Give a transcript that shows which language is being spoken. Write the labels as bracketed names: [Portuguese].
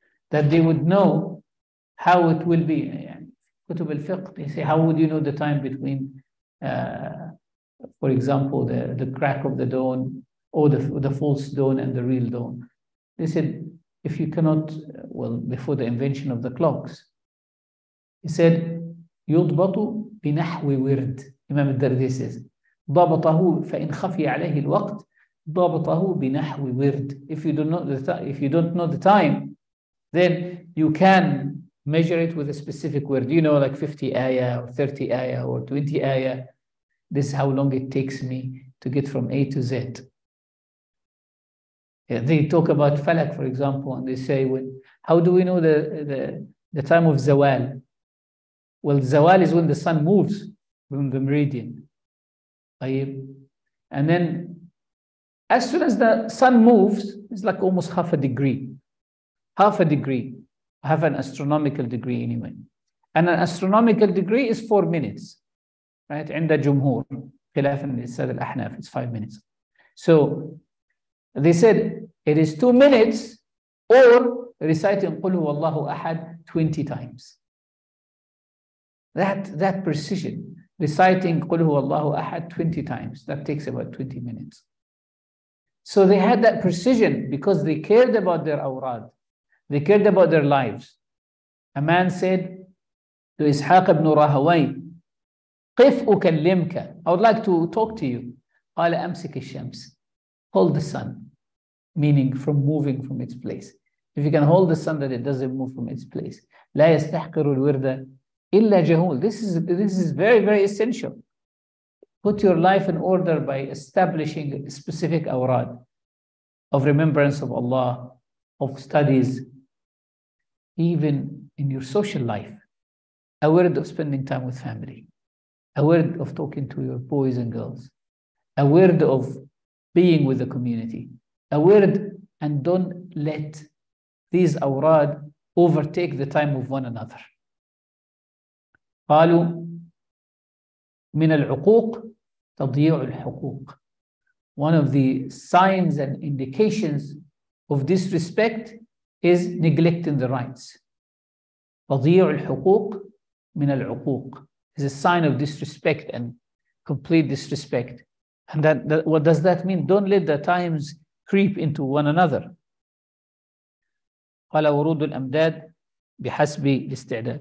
[English] that they would know how it will be. Kutub al-fiqh, they say, how would you know the time between, for example, the crack of the dawn or the false dawn and the real dawn? They said, if you cannot, well, before the invention of the clocks, he said, [Arabic] يُضْبَطُ بِنَحْوِ [English] wird. Imam al-Dardi says, [Arabic] ضَبَطَهُ فَإِنْ خَفِيَ عَلَيْهِ الْوَقْتِ ضَبَطَهُ بِنَحْوِ wird. [English] If you don't know the if you don't know the time, then you can measure it with a specific word. You know, like 50 ayah or 30 ayah or 20 ayah. This is how long it takes me to get from A to Z. Yeah, they talk about Falak, for example, and they say, when, how do we know the time of Zawal? Well, Zawal is when the sun moves from the meridian. And then as soon as the sun moves, it's like almost half a degree. Half a degree. Have an astronomical degree anyway. And an astronomical degree is 4 minutes. Right? [Arabic] عند جمهور. خلاف السادة الأحناف. [English] It's 5 minutes. So they said it is 2 minutes or reciting [Arabic] قل هو الله أحد [English] 20 times. That precision. Reciting [Arabic] قل هو الله أحد [English] 20 times. That takes about 20 minutes. So they had that precision because they cared about their awrad. They cared about their lives. A man said to Ishaq ibn Rahawayn, [Arabic] قِفْ أُكَلِّمْكَ, [English] I would like to talk to you. [Arabic] قَالَ أَمْسِكِ الشَّمْسِ, [English] hold the sun, meaning from moving from its place. If you can hold the sun that it doesn't move from its place. [Arabic] لَا يَسْتَحْقِرُ الْوِرْدَ إِلَّا جَهُولٌ. [English] This is very, very essential. Put your life in order by establishing a specific awrad of remembrance of Allah, of studies, even in your social life, a word of spending time with family, a word of talking to your boys and girls, a word of being with the community, a word, and don't let these awrad overtake the time of one another. [Arabic] قالوا من العقوق تضيع الحقوق. [English] One of the signs and indications of disrespect is neglecting the rights. [Arabic] تضيع الحقوق من العقوق [English] is a sign of disrespect and complete disrespect. And that what does that mean? Don't let the times creep into one another. [Arabic] قال ورود الأمداد بحسب الاستعداد.